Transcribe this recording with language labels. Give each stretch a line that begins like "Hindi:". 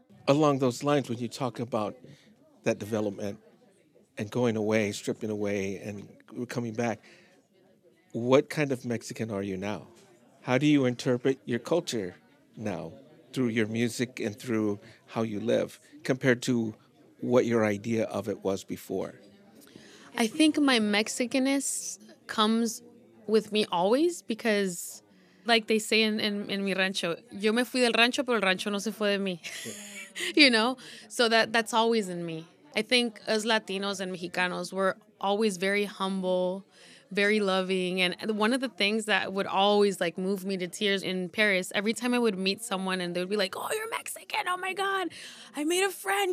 English: Along those lines, when you talk about that development and going away, stripping away and coming back, what kind of Mexican are you now? How do you interpret your culture now through your music and through how you live compared to what your idea of it was before? I think my Mexicanness comes with me always because, like they say in
Spanish: mi rancho, yo me fui del rancho, pero el rancho no se fue de mí.
English: You know? So that's always in me. I think as Latinos and Mexicanos, we're always very humble, very loving. And one of the things that would always like move me to tears in Paris, every time I would meet someone and they'd be like, oh, you're Mexican. Oh my God. I made a friend.